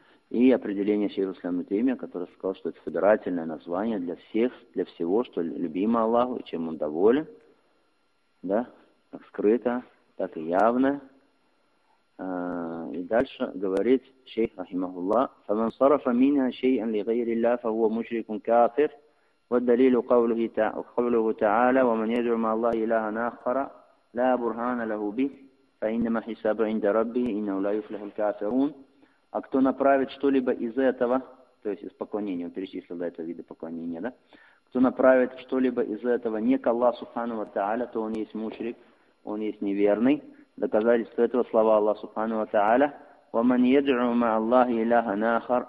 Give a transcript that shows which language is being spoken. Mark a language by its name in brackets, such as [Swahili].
[Russian] И определение Шейх Ислам Ибн Таймия, который сказал, что это собирательное название для всех, для всего, что любимо Аллаху, чем Он доволен, да, как скрыто, так и явно. И дальше говорит Шейх Рахимахуллах, [Arabic] «Фаман сарафа мина шейан ли гайри ля, фа хуа мушрикун кафир». والدليل قوله تعالى ومن يدعو مع الله إلها آخر لا برهان له به فإنما حسابه عند ربه إنه لا يفلح الكافرون. [Russian] А кто направит что-либо из этого, то есть из поклонения, он перечислил до этого вида поклонения, да? Кто направит что-либо из этого не к Аллаху Субхану ва Тааля, то он есть мушрик, он есть неверный. Доказательство этого слова Аллаха Субхану ва Тааля: [Arabic] ومن يدعو مع الله إلها آخر.